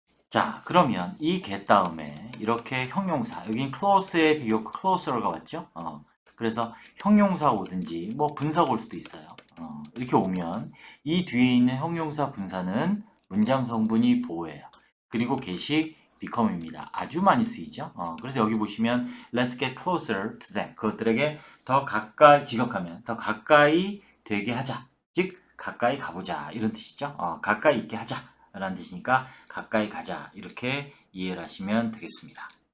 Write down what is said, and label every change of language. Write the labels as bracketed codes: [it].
[ko] 자, 그러면 이 get 다음에 이렇게 형용사, 여긴 close의 비교 closer가 왔죠? 그래서 형용사 오든지 뭐 분사가 올 수도 있어요. 이렇게 오면 이 뒤에 있는 형용사 분사는 문장 성분이 보호예요. 그리고 get이 become입니다. 아주 많이 쓰이죠? 그래서 여기 보시면 [en] let's get closer to them. [ko] 그것들에게 더 가까이, 직역하면 더 가까이 되게 하자. 즉 가까이 가보자 이런 뜻이죠. 가까이 있게 하자 라는 뜻이니까 가까이 가자 이렇게 이해를 하시면 되겠습니다.